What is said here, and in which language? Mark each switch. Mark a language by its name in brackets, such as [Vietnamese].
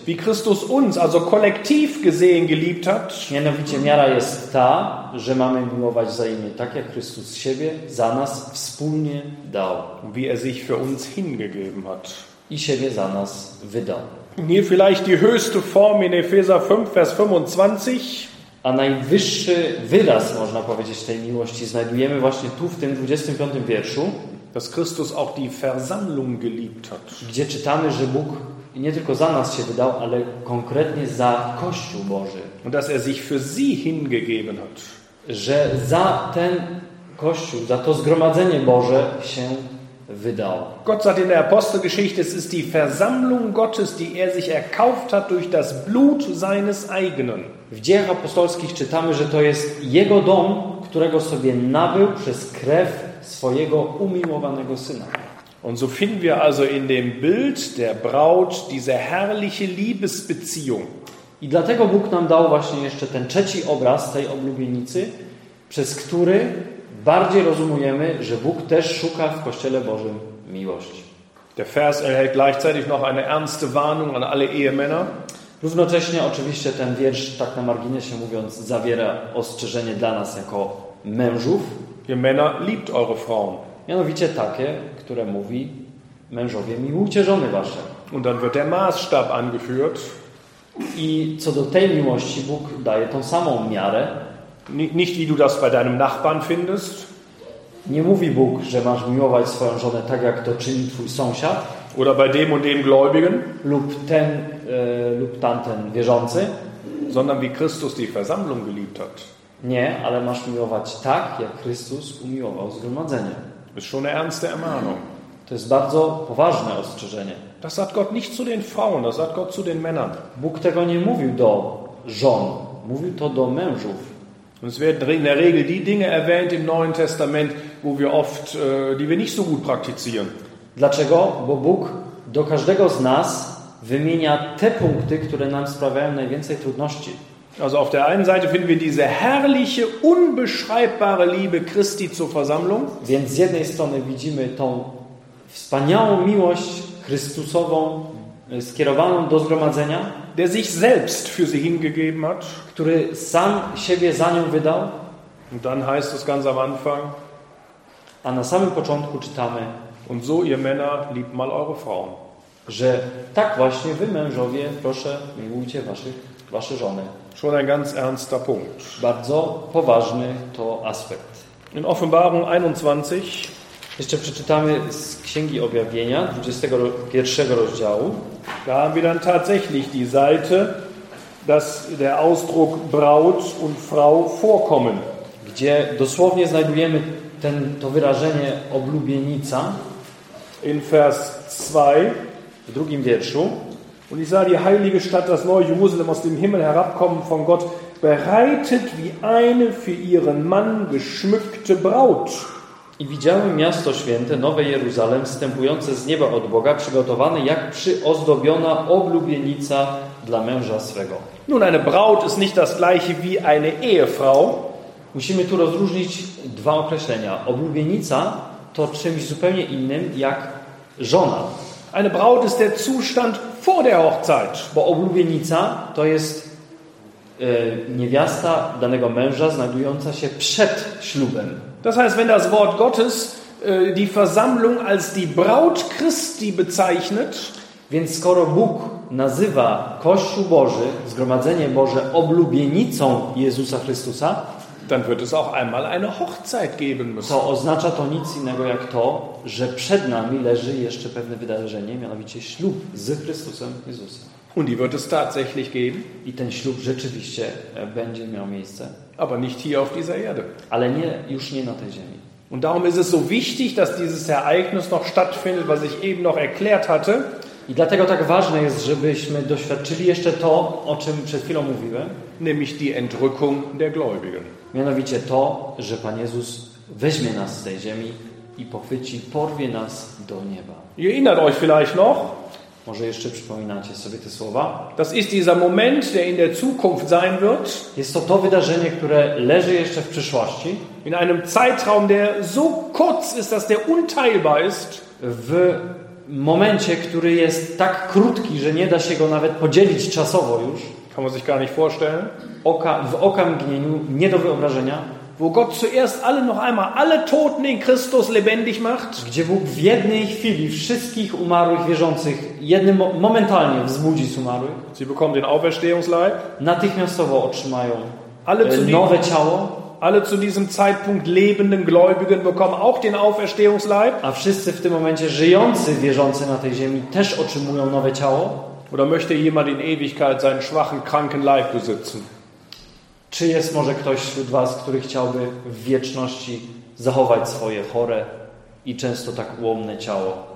[German] Wie Christus uns, also kollektiv gesehen, geliebt hat. [Polish] Mianowicie miara jest ta, że mamy miłować wzajemnie, tak jak Chrystus siebie za nas wspólnie dał. [German] Wie er sich für uns hingegeben hat. [Polish] I siebie za nas wydał. [German] Hier vielleicht die höchste Form in Epheser 5, Vers 25. [Polish] A najwyższy wyraz, można powiedzieć, tej miłości znajdujemy właśnie tu, w tym 25 wierszu. [German] Dass Christus auch die Versammlung geliebt hat. [Polish] Gdzie czytamy, że Bóg nie tylko za nas się wydał, ale konkretnie za Kościół Boży. [German] Und dass er sich für sie hingegeben hat. [Polish] Że za ten Kościół, za to zgromadzenie Boże się wydał. [German] Gott sagt in der Apostelgeschichte, es ist die Versammlung Gottes, die er sich erkauft hat durch das Blut seines eigenen. [Polish] W Dziejach Apostolskich czytamy, że to jest jego dom, którego sobie nabył przez krew swojego umiłowanego syna. [German] Und so finden wir also in dem Bild der Braut diese herrliche Liebesbeziehung. [Polish] I dlatego Bóg nam dał właśnie jeszcze ten trzeci obraz tej oblubienicy, przez który bardziej rozumiemy, że Bóg też szuka w Kościele Bożym miłości. [German] Der Vers enthält gleichzeitig noch eine ernste Warnung an alle Ehemänner. [Polish] Równocześnie oczywiście ten wiersz, tak na marginesie mówiąc, zawiera ostrzeżenie dla nas jako mężów. [German] Ihr Männer liebt eure Frauen. [Polish] Mianowicie takie, które mówi: mężowie, miłujcie żony wasze. [German] Und dann wird der Maßstab angeführt. [Polish] I co do tej miłości Bóg daje tą samą miarę. [German] Nicht wie du das bei deinem Nachbarn findest. [Polish] Nie mówi Bóg, że masz miłować swoją żonę tak, jak to czyni twój sąsiad. [German] Oder bei dem und dem Gläubigen. [Polish] Lub ten, lub tamten wierzący. [German] Sondern wie Christus die Versammlung geliebt hat. [Polish] Nie, ale masz miłować tak, jak Chrystus umiłował zgromadzenie. [German] Ist schon eine ernste Ermahnung. [Polish] To jest bardzo poważne ostrzeżenie. [German] Das sagt Gott nicht zu den Frauen, das sagt Gott zu den Männern. [Polish] Bóg tego nie mówił do żon, mówił to do mężów. [German] Und es werden in der Regel die Dinge erwähnt im Neuen Testament, wo wir oft, die wir nicht so gut praktizieren. [Polish] Dlaczego? Bo Bóg do każdego z nas wymienia te punkty, które nam sprawiają najwięcej trudności. [German] Also auf der einen Seite finden wir diese herrliche, unbeschreibbare Liebe Christi zur Versammlung. [Polish] Więc z jednej strony widzimy tą wspaniałą miłość Chrystusową skierowaną do zgromadzenia, [German] der sich selbst für sie hingegeben hat, [Polish] który sam siebie za nią wydał. [German] Und dann heißt es ganz am Anfang, [Polish] a na samym początku czytamy, [German] und so ihr Männer liebt mal eure Frauen, [Polish] że tak właśnie wy mężowie proszę miłujcie wasze żony. [German] Schon ein ganz ernster Punkt. [Polish] Bardzo poważny to aspekt. [German] In Offenbarung 21 [Polish] jeszcze przeczytamy z Księgi Objawienia 21 rozdziału. [German] Da haben wir dann tatsächlich die Seite, dass der Ausdruck Braut und Frau vorkommen. [Polish] Gdzie dosłownie znajdujemy to wyrażenie oblubienica. [German] In Vers 2 [Polish] w drugim wierszu. [German] Und ich sah die heilige Stadt, das neue Jerusalem aus dem Himmel herabkommen von Gott, bereitet wie eine für ihren Mann geschmückte Braut. [Polish] I widziałem miasto święte, nowe Jeruzalem, wstępujące z nieba od Boga, przygotowane jak przyozdobiona oblubienica dla męża swego. [German] Nun, eine Braut ist nicht das gleiche wie eine Ehefrau. [Polish] Musimy tu rozróżnić dwa określenia. Oblubienica to czymś zupełnie innym jak żona. [German] Eine Braut ist der Zustand vor der Hochzeit. [Polish] Bo oblubienica to jest niewiasta danego męża znajdująca się przed ślubem. [German] Das heißt, wenn das Wort Gottes die Versammlung als die Braut Christi bezeichnet, [Polish] więc skoro Bóg nazywa Kościół Boży, zgromadzenie Boże oblubienicą Jezusa Chrystusa, [German] dann wird es auch einmal eine Hochzeit geben müssen. [Polish] To oznacza to nic innego jak to, że przed nami leży jeszcze pewne wydarzenie, mianowicie ślub z Chrystusem Jezusem. [German] Und die wird es tatsächlich geben. [Polish] I ten ślub rzeczywiście będzie miał miejsce. [German] Aber nicht hier auf dieser Erde. [Polish] Ale nie, już nie na tej ziemi. [German] Und darum ist es so wichtig, dass dieses Ereignis noch stattfindet, was ich eben noch erklärt hatte. [Polish] I dlatego tak ważne jest, żebyśmy doświadczyli jeszcze to, o czym przed chwilą mówiłem. [German] Nämlich die Entrückung der Gläubigen. [Polish] Mianowicie to, że Pan Jezus weźmie nas z tej ziemi i pochwyci, porwie nas do nieba. [German] Ihr erinnert euch vielleicht noch? [Polish] Może jeszcze przypominacie sobie te słowa? [German] Das ist dieser Moment, der in der Zukunft sein wird. [Polish] Jest to to wydarzenie, które leży jeszcze w przyszłości. [German] In einem Zeitraum, der so kurz ist, dass der unteilbar ist. [Polish] W momencie, który jest tak krótki, że nie da się go nawet podzielić czasowo już. [German] Kann man sich gar nicht vorstellen. [Polish] W oka mgnieniu, nie do wyobrażenia. [German] Wo Gott zuerst alle noch einmal alle Toten in Christus lebendig macht. [Polish] Gdzie Bóg w jednej chwili wszystkich umarłych wierzących jednym momentalnie wzbudzi z umarłych. [German] Sie bekommen den Auferstehungsleib. [Polish] Natychmiastowo otrzymają [German] alle [Polish] nowe ciało. [German] Alle zu diesem Zeitpunkt lebenden Gläubigen bekommen auch den Auferstehungsleib. [Polish] A wszyscy w tym momencie żyjący wierzący na tej ziemi też otrzymują nowe ciało. [German] Oder möchte jemand in Ewigkeit seinen schwachen, kranken Leib besitzen? [Polish] Czy jest może ktoś wśród was, który chciałby w wieczności zachować swoje chore i często tak ułomne ciało?